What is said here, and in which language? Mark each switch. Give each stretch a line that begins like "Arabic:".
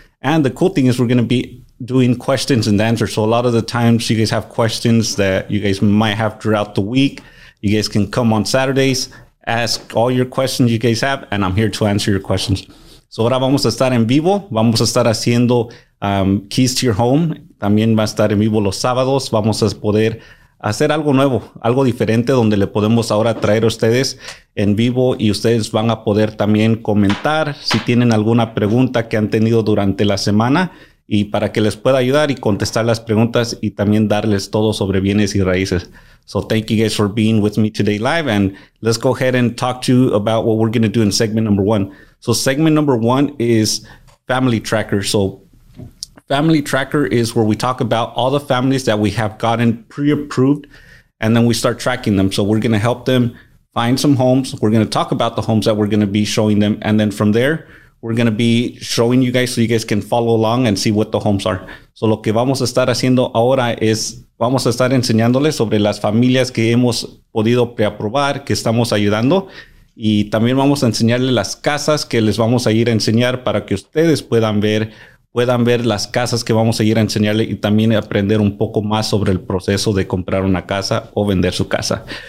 English: And the cool thing is we're going to be doing questions and answers. So a lot of the times you guys have questions that you guys might have throughout the week. You guys can come on Saturdays, ask all your questions you guys have, and I'm here to answer your questions.
Spanish: So ahora vamos a estar en vivo. Vamos a estar haciendo Keys to Your Home. También va a estar en vivo los sábados. Vamos a poder hacer algo nuevo, algo diferente, donde le podemos ahora traer a ustedes en vivo y ustedes van a poder también comentar si tienen alguna pregunta que han tenido durante la semana, y para que les pueda ayudar y contestar las preguntas y también darles todo sobre bienes y raíces.
English: So thank you guys for being with me today live, and let's go ahead and talk to you about what we're going to do in segment number one. So segment number one is Family Tracker. So Family Tracker is where we talk about all the families that we have gotten pre-approved, and then we start tracking them. So we're going to help them find some homes. We're going to talk about the homes that we're going to be showing them, and then from there, we're going to be showing you guys so you guys can follow along and see what the homes are.
Spanish: So lo que vamos a estar haciendo ahora es vamos a estar enseñándoles sobre las familias que hemos podido preaprobar, que estamos ayudando. Y también vamos a enseñarles las casas que les vamos a ir a enseñar para que ustedes puedan ver las casas que vamos a ir a enseñarles y también aprender un poco más sobre el proceso de comprar una casa o vender su casa.